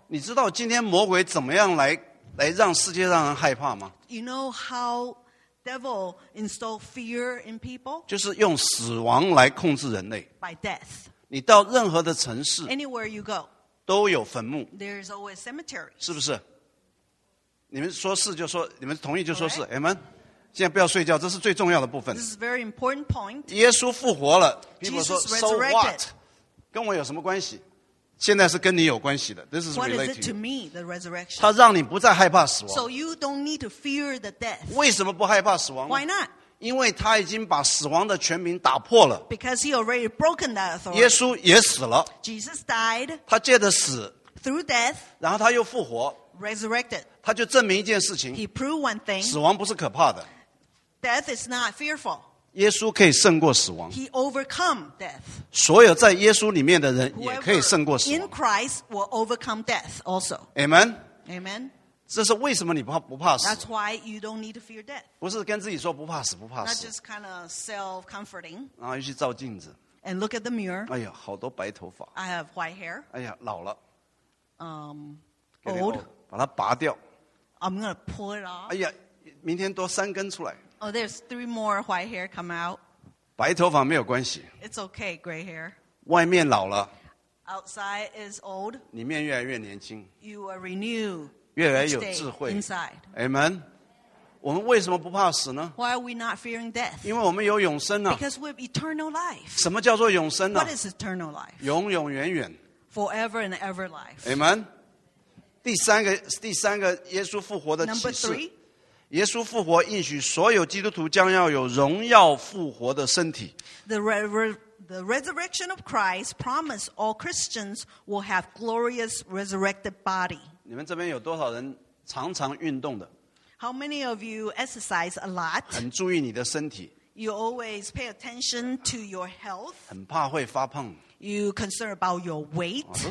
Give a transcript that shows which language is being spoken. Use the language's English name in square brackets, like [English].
[Chinese] 你知道今天魔鬼怎么样来让世界让人害怕吗? [English] You know how devil installed fear in people? [Chinese] 就是用死亡来控制人类, [English] by death. [Chinese] 你到任何的城市, [English] anywhere you go, [Chinese] 都有坟墓, [English] there's always cemetery. [Chinese] 是不是? 你们说是就说, 你们同意就说是, [English] okay. Amen? [Chinese] 现在不要睡觉, 这是最重要的部分。 [English] This is a very important point. [Chinese] 耶稣复活了, [English] people Jesus say, resurrected. So what? [Chinese] 跟我有什么关系? 现在是跟你有关系的, [English] this is related to you. What is it to me, the resurrection? [Chinese] 他让你不再害怕死亡, [English] so you don't need to fear the death. [Chinese] 为什么不害怕死亡? [English] Why not? [Chinese] 因为他已经把死亡的权柄打破了, [English] because he already broken that authority. [Chinese] 耶稣也死了, [English] Jesus died. [Chinese] 他借着死, [English] through death, [Chinese] 然后他又复活, [English] resurrected. [Chinese] 他就证明一件事情, [English] he proved one thing. [Chinese] 死亡不是可怕的, [English] death is not fearful. [Chinese] 耶稣可以胜过死亡, [English] he overcome death. [Chinese] 所有在耶稣里面的人也可以胜过死亡, [English] in Christ will overcome death also. Amen? Amen? [Chinese] 这是为什么你不怕死? [English] That's why you don't need to fear death. [Chinese] 不是跟自己说不怕死, 不怕死, [English] not just kind of self-comforting. [Chinese] 然后又去照镜子, [English] and look at the mirror. [Chinese] 哎呀, 好多白头发, [English] I have white hair. [Chinese] 哎呀, 老了, [English] old. [Chinese] 把它拔掉, [English] I'm going to pull it off. [Chinese] 哎呀, 明天多三根出来, [English] oh, there's three more white hair come out. [Chinese] 白头发没有关系, [English] it's okay, gray hair. [Chinese] 外面老了, [English] outside is old. [Chinese] 里面越来越年轻, [English] you are renewed. [Chinese] 越来越有智慧, [English] inside. Amen. [Chinese] 我们为什么不怕死呢? [English] Why are we not fearing death? [Chinese] 因为我们有永生啊, [English] because we have eternal life. [Chinese] 什么叫做永生呢? [English] What is eternal life? [Chinese] 永永远远, [English] forever and ever life. Amen. [Chinese] 第三个, 耶稣复活的启示, 耶稣复活应许所有基督徒将要有荣耀复活的身体。 [English] The resurrection of Christ promised all Christians will have glorious resurrected body. [Chinese] 你们这边有多少人常常运动的? [English] How many of you exercise a lot? [Chinese] 很注意你的身体。 [English] You always pay attention to your health. [Chinese] 很怕会发胖。 [English] You concern about your weight.